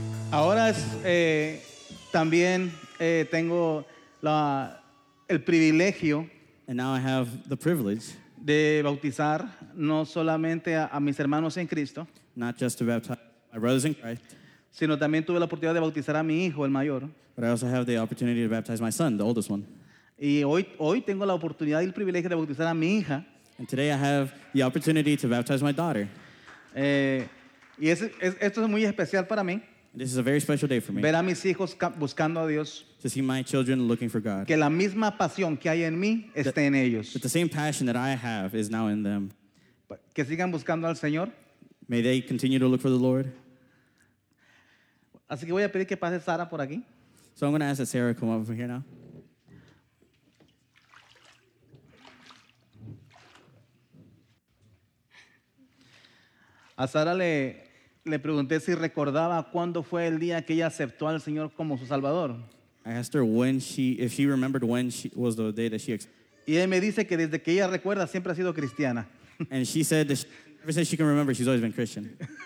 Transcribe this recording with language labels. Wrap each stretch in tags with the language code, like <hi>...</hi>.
<es>Ahora también tengo el privilegio.</es> <en>And now I have the privilege</en> <es>de bautizar no solamente a mis hermanos en Cristo,</es> <en>not just to baptize my brothers in Christ,</en> <es>sino también tuve la oportunidad de bautizar a mi hijo, el mayor.</es> <en>But I also have the opportunity to baptize my son, the oldest one.</en> <es>Y hoy tengo la oportunidad y el privilegio de bautizar a mi hija.</es> <en>And today I have the opportunity to baptize my daughter.</en> <es>Esto es muy especial para mí.</es> <en>This is a very special day for me.</en> <es>Ver a mis hijos buscando a Dios.</es> <en>To see my children looking for God.</en> <es>Que la misma pasión que hay en mí esté en ellos.</es> <en>That the same passion that I have is now in them.</en> <es>Que sigan buscando al Señor.</es> <en>May they continue to look for the Lord.</en> <es>Así que voy a pedir que pase Sara por aquí.</es> <en>So I'm going to ask that Sarah come over here now.</en> <es>A Sara le pregunté si recordaba cuándo fue el día que ella aceptó al Señor como su Salvador.</es> <en>I asked her if she remembered when she was the day that she accepted.</en> <es>Y ella me dice que desde que ella recuerda siempre ha sido cristiana.</es> <en>And she said that ever since she can remember, she's always been Christian.</en>